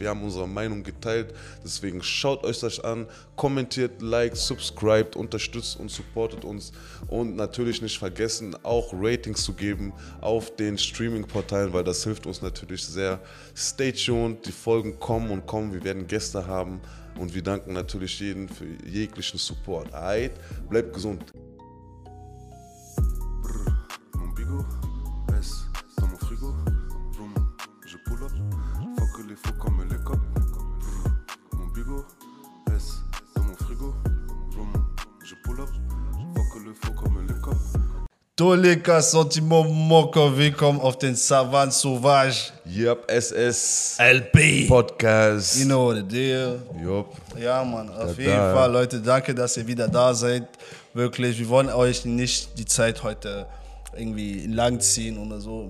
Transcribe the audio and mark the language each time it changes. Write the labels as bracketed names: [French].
[German] Wir haben unsere Meinung geteilt, deswegen schaut euch das an, kommentiert, liked, subscribed, unterstützt und supportet uns und natürlich nicht vergessen, auch Ratings zu geben auf den Streaming-Portalen, weil das hilft uns natürlich sehr. [English] Stay tuned, [German] die Folgen kommen und kommen, wir werden Gäste haben. Und wir danken natürlich jedem für jeglichen Support. Alright, bleibt gesund. [French] Brr, mon bigo, S, dans mon frigo, rum, je pull up, fuck les faux comme les cops. Brr, mon bigo, S, dans mon frigo, rum, je pull up, fuck les faux comme les cops. [German] Tolika Sentiment Moko, willkommen auf den Savant Sauvage. [English] Yup, SS. LP. Podcast. You know the deal. Yup. [German] Ja, man, auf jeden Fall, Leute, danke, dass ihr wieder da seid. Wirklich, wir wollen euch nicht die Zeit heute irgendwie langziehen oder so.